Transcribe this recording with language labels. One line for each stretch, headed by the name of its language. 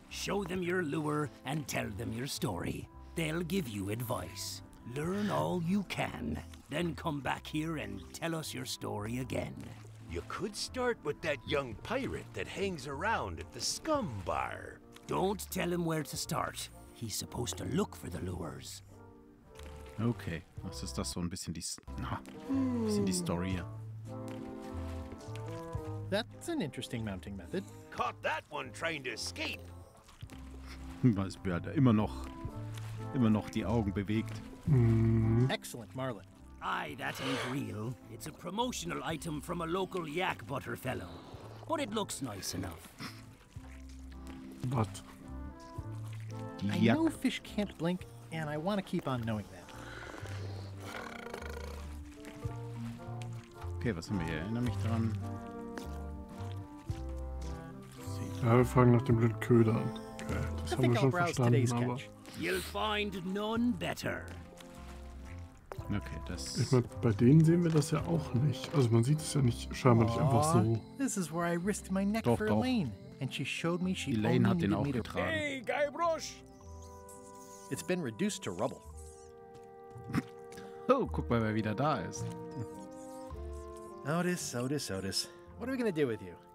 English: Show them your lure and tell them your story. They'll give you advice. Learn all you can. Then come back here and tell us your story again. You could start with that young pirate that hangs around at the scum bar. Don't tell him where to start. He's supposed to look for the lures.
German: Okay, was ist das so ein bisschen die Story?
English: That's an interesting mounting method. Caught that one trying to escape.
German: Was wird er immer noch die Augen bewegt?
English: Excellent, Marlin. Aye, that ain't real. It's a promotional item from a local yak butter fellow. But it looks nice enough. But I know fish can't blink, and I want to keep on knowing that.
German: Okay, was haben wir hier? Erinnere mich daran. Ja, wir fragen nach dem blöden Köder an. Okay, das haben wir schon verstanden, aber...
English: You'll find none better.
German: Okay, das. Ich meine, bei denen sehen wir das ja auch nicht. Also man sieht es ja nicht scheinbar nicht einfach so.
English: This is where I risked my neck for Elaine. And she showed me she
German: Elaine hat den auch getragen.
English: Hey, Guybrush! It's been reduced to rubble.
German: Oh, guck mal, wer wieder da ist.
English: Otis, Otis, Otis. What are we gonna do with you?